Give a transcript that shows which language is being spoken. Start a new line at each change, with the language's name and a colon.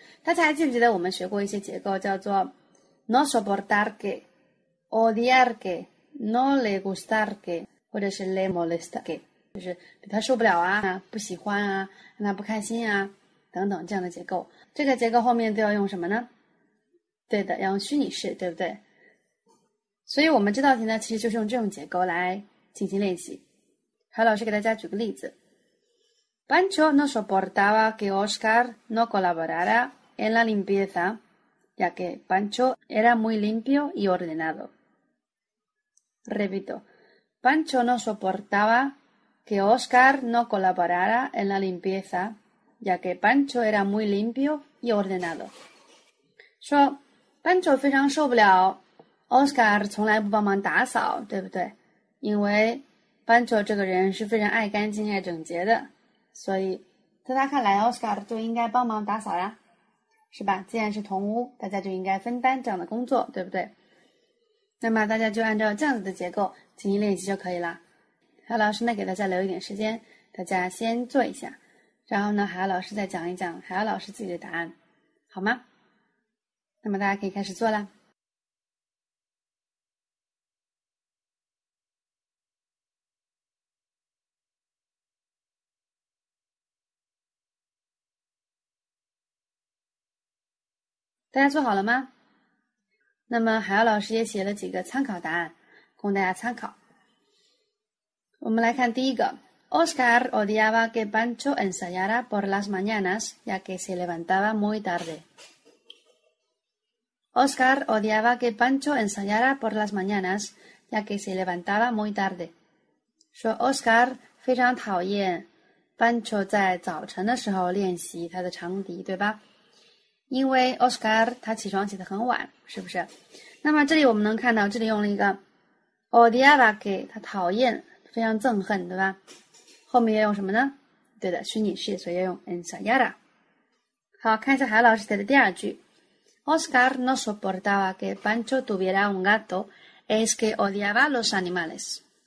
Chinese: 大家还记不记得我们学过一些结构，叫做
Spanish: no soportar que odiar que no le gustar que 或者是 le molesta que
Chinese: 就是比他受不了啊，不喜欢啊，让他不开心啊，等等这样的结构。这个结构后面都要用什么呢？对的，要用虚拟式，对不对？所以我们这道题呢，其实就是用这种结构来进行练习。海老师给大家举个例子。
Spanish: Pancho no soportaba que Oscar no colaborara en la limpieza ya que Pancho era muy limpio y ordenado。 Repito, Pancho no soportaba que Oscar no colaborara en la limpieza, ya que Pancho era muy limpio y ordenado.
Chinese: 说 Pancho 非常受不了 Oscar 从来不帮忙打扫，对不对？因为 Pancho 这个人是非常爱干净、爱整洁的，所以在他看来 ，Oscar 就应该帮忙打扫呀，是吧？既然是同屋，大家就应该分担这样的工作，对不对？那么大家就按照这样子的结构进行练习就可以了。海老师呢，给大家留一点时间，大家先做一下，然后呢，海老师再讲一讲海老师自己的答案，好吗？那么大家可以开始做了。大家做好了吗？那么海老师也写了几个参考答案供大家参考。我们来看第一个。
Spanish: Oscar odiaba que Pancho ensayara por las mañanas ya que se levantaba muy tarde. Oscar odiaba que Pancho ensayara por las mañanas ya que se levantaba muy tarde.
Chinese: 说 Oscar 非常讨厌 Pancho 在早晨的时候练习他的长笛，对吧？因为 Oscar 他起床起得很晚，是不是？那么这里我们能看到，这里用了一个
Spanish: odiaba que，
Chinese: 他讨厌，非常憎恨，对吧？后面要用什么呢？对的，虚拟式，所以要用 ensayara。好，看一下海老师写的第二句
Spanish: ：Oscar no soportaba que Pancho tuviera un gato, es que odiaba los animales.